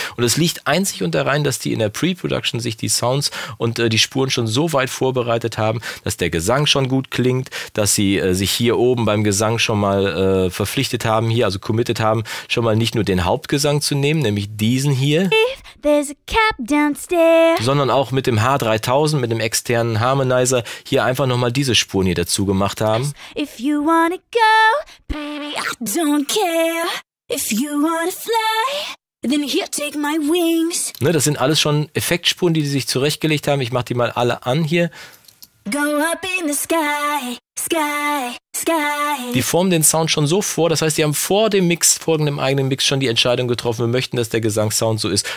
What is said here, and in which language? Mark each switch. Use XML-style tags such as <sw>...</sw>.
<de>Und es liegt einzig und allein, dass die in der Pre-Production sich die Sounds und die Spuren schon so weit vorbereitet haben, dass der Gesang schon gut klingt, dass sie sich hier oben beim Gesang schon mal verpflichtet haben, hier also committed haben, schon mal nicht nur den Hauptgesang zu nehmen, nämlich diesen hier,</de> <en>there's a cap downstairs,</en> <de>sondern auch mit dem H3000, mit dem externen Harmonizer hier einfach nochmal diese Spuren hier dazu gemacht haben.</de> <en>If you wanna go, baby, I don't care. If you wanna fly, then here, take my wings.</en> <de>Ne, das sind alles schon Effektspuren, die sich zurechtgelegt haben. Ich mach die mal alle an hier.</de> <en>Go up in the sky, sky, sky.</en> <de>Die formen den Sound schon so vor, das heißt, die haben vor dem Mix, vor dem eigenen Mix schon die Entscheidung getroffen, wir möchten, dass der Gesangssound so ist.</de>